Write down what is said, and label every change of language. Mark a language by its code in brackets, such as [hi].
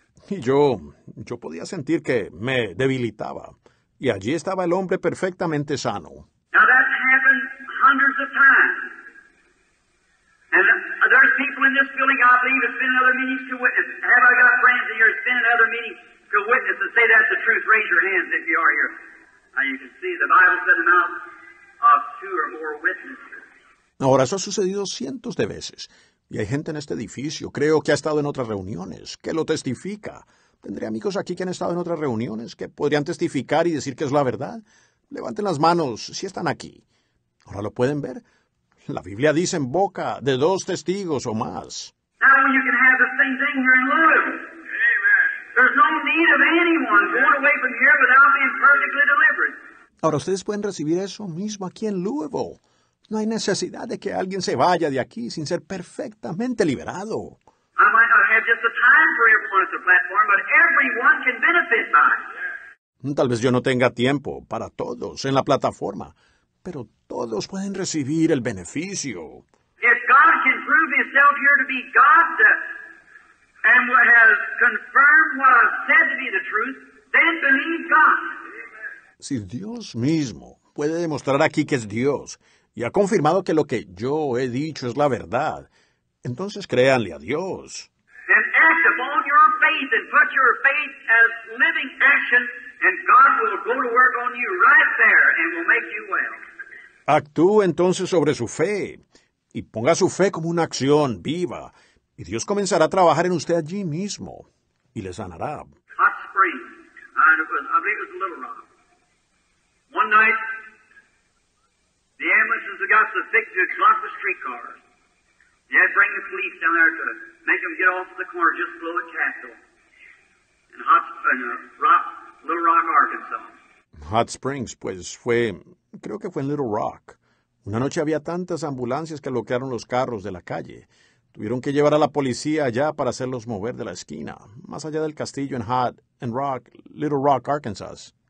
[es] Y yo podía sentir que me debilitaba. Y allí estaba el hombre perfectamente sano. [en] Now that's happened hundreds of times. And there's people in this building, I believe, that's been in other meetings to witness. Have I got friends here that's been in other meetings? To witness and say that's the truth, raise your hands if you are here. Now you can see the Bible said the mouth of two or more witnesses. [es] Ahora, eso ha sucedido cientos de veces. Y hay gente en este edificio, creo que ha estado en otras reuniones, que lo testifica. Tendré amigos aquí que han estado en otras reuniones, que podrían testificar y decir que es la verdad. Levanten las manos si están aquí. Ahora lo pueden ver. La Biblia dice en boca de dos testigos o más. [en] Now you can have the same thing here in Louisville. There's no need of anyone going away from here without being perfectly delivered. [es] Ahora ustedes pueden recibir eso mismo aquí en Louisville. No hay necesidad de que alguien se vaya de aquí sin ser perfectamente liberado. [en] I might not have just the time for everyone at the platform, but everyone can benefit by it. [es] Tal vez yo no tenga tiempo para todos en la plataforma, pero todos pueden recibir el beneficio. [en] If God can prove himself here to be God, and what has confirmed what I've said to be the truth, then believe God. [es] Si Dios mismo puede demostrar aquí que es Dios y ha confirmado que lo que yo he dicho es la verdad, entonces créanle a Dios. [en] And act upon your faith and put your faith as living action, and God will go to work on you right there and will make you well. [es] Actúe entonces sobre su fe y ponga su fe como una acción viva. Y Dios comenzará a trabajar en usted allí mismo y le sanará. [en] Hot spring. I believe it was a little rock. One night, the ambulances had got so thick to block the streetcars. They had to bring the police down there to make them get off the corner just below the castle. In hot spring, Little Rock, Arkansas. [es] Hot Springs, pues fue, creo que fue en Little Rock. Una noche había tantas ambulancias que bloquearon los carros de la calle. Tuvieron que llevar a la policía allá para hacerlos mover de la esquina, más allá del castillo en Hot and Rock, Little Rock, Arkansas.